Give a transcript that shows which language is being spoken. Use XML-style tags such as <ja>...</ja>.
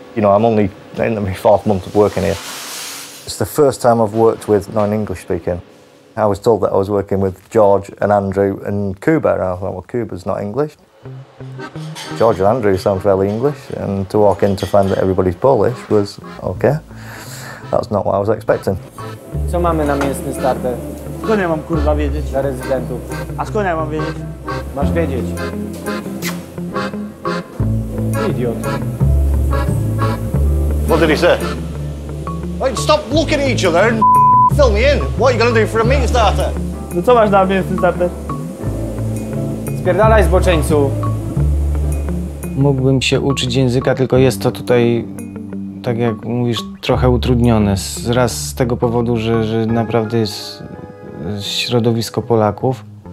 <en>You know, I'm only in my fourth month of working here. It's the first time I've worked with non-English speaking. I was told that I was working with George and Andrew and Cuba. I thought, well, Cuba's not English. George and Andrew sound fairly English, and to walk in to find that everybody's Polish was okay. That's not what I was expecting.</en> <pl>Co mamy na miejscu startę? Skąd ja mam kurwa wiedzieć? Dla rezydentów. A skąd ja mam wiedzieć? Masz wiedzieć.</pl> <en>Idiot. What did he say? Wait, stop looking at each other and fill me in. What are you going to do for a meeting starter?</en> <pl>No co masz na miejscu startę? Spierdalaj zboczeńcu. Mógłbym się uczyć języka, tylko jest to tutaj, tak jak mówisz, trochę utrudnione. Raz z tego powodu, że naprawdę jest środowisko Polaków.</pl>